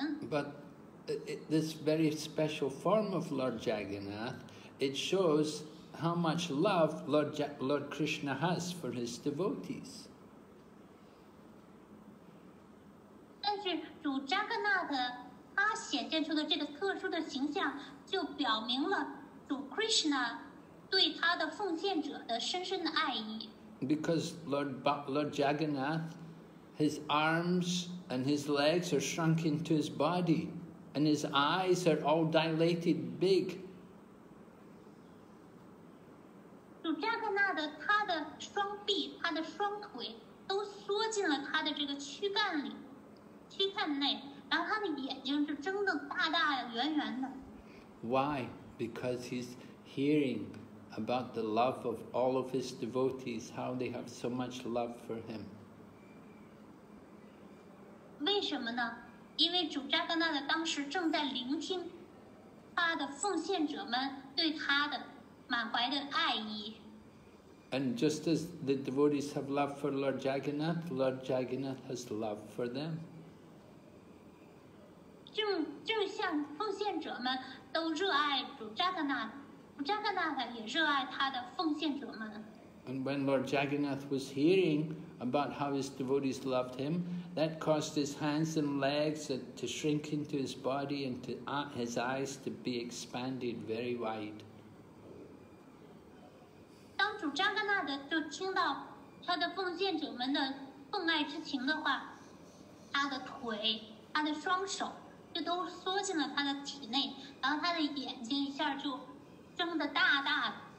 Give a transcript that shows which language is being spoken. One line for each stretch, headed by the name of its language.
English: But this very special form of Lord Jagannath, it shows how much love Lord Krishna has for his devotees.
Chinese: 是主扎格纳的他显现出的这个特殊的形象，就表明了主 Krishna 对他的奉献者的深深的爱意。
English: Because Lord Jagannath, his arms and his legs are shrunk into his body, and his eyes are all dilated big.
Chinese: 主扎格纳的他的双臂、他的双腿都缩进了他的这个躯干里、躯干内。然后他的眼睛是睁得大大的、圆圆的。
English: Why? Because he's hearing about the love of all of his devotees, how they have so much love for him.
Chinese: 为什么呢？因为主扎格纳的当时正在聆听他的奉献者们对他的满怀的爱意。
English: And just as the devotees have love for Lord Jagannath, Lord Jagannath has love for them.
Chinese: 正像奉献者们都热爱主扎格纳，主扎格纳也热爱他的奉献者们。
English: And when Lord Jagannath was hearing about how his devotees loved him, that caused his hands and legs to shrink into his body and to his eyes to be expanded very wide.
Chinese: 当主扎格纳的就听到他的奉献者们的奉爱之情的话，他的腿、他的双手就都缩进了他的体内，然后他的眼睛一下就睁得大大的。